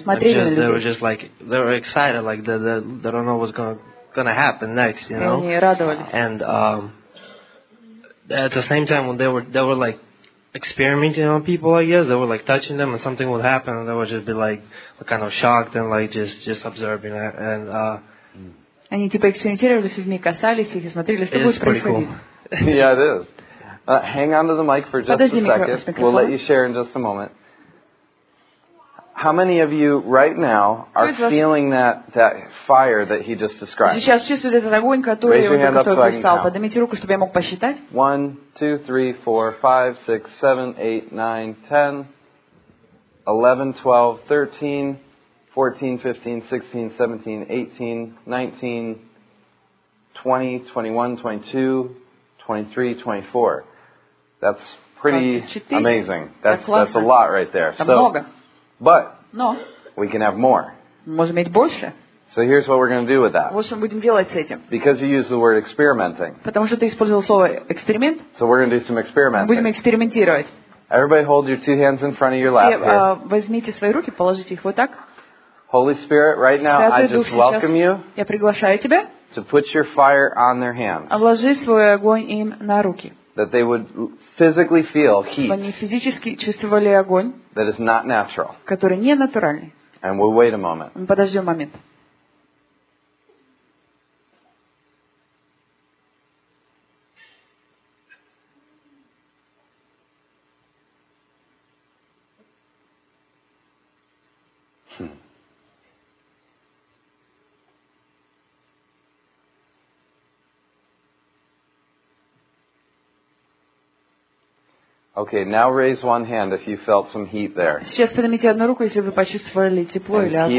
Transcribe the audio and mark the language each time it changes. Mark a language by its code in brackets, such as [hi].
[en] They were excited, like they don't know what's gonna happen next, you know? And at the same time, when they were like, experimenting on people, I guess they were like touching them, and something would happen, and they would just be like kind of shocked and like just observing it. And [ru] они типа экспериментировали с людьми, касались их и смотрели, что будет происходить. [en] Yeah, it is. Hang on to the mic for just a second. We'll let you share in just a moment. How many of you right now are feeling that fire that he just described? [ru] Сейчас чувствуете этот огонь, который я только что описал. Поднимите руку, чтобы я мог посчитать. [en] 1, 2, 3, 4, 5, 6, 7, 8, 9, 10, 11, 12, 13, 14, 15, 16, 17, 18, 19, 20, 21, 22, 23, 24. That's pretty 24. Amazing. That's a lot right there. [ru] Много. [en] But no. We can have more. [ru] Можем иметь больше. [en] So here's what we're going to do with that. [ru] Вот что мы будем делать с этим. [en] Because you use the word experimenting. [ru] Потому что ты использовал слово эксперимент. [en] So we're going to do some experimenting. [ru] Будем экспериментировать. [en] Everybody hold your two hands in front of your lap here. [ru] Возьмите свои руки, положите их вот так. [en] Holy Spirit, right now [ru] Святый [en] I just [ru] Дух [en] welcome you. [ru] Я приглашаю тебя. [en] To put your fire on their hands. [ru] Вложи свой огонь им на руки. [en] That they would physically feel heat. [ru] Чтобы они физически чувствовали огонь. [en] That is not natural. [ru] Который не натуральный. [en] And we'll wait a moment. [ru] Мы подождем момент. [en] Okay, now raise one hand if you felt some heat there. [ru] Сейчас поднимите одну руку, если вы почувствовали тепло или огонь.